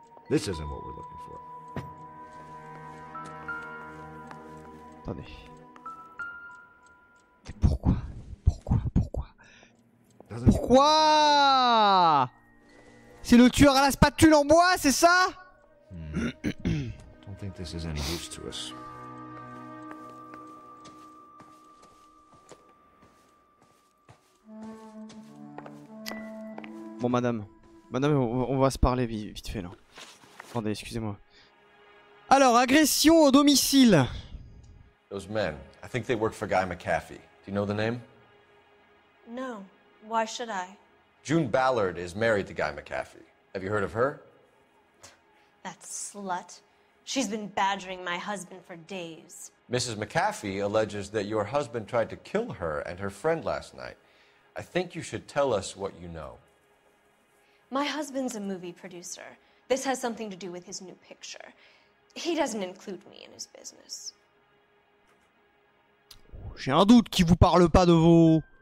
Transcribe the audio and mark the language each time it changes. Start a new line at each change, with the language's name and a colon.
English: This isn't what we're looking for.
French: Attendez. Mais pourquoi? Pourquoi? Pourquoi?
English: Doesn't...
French: Pourquoi? C'est le tueur à la spatule en bois, c'est ça?
English: I don't think this is any use to us.
French: Bon, madame. Madame, on va se parler vite fait, là. Attendez, excusez-moi. Alors, agression au domicile.
English: Those men. I think they work for Guy McAfee. Do you know the name? No. Why should I? June Ballard is married to Guy McAfee. Have you heard of her? That slut. She's been badgering my husband for days. Mrs. McAfee alleges that your husband tried to kill her and her friend last night. I think you should tell us what you know. My husband's a movie producer. This has something to do with his new picture. He doesn't include me in his business.
French: J'ai un doute qu'il vous parle pas de vos...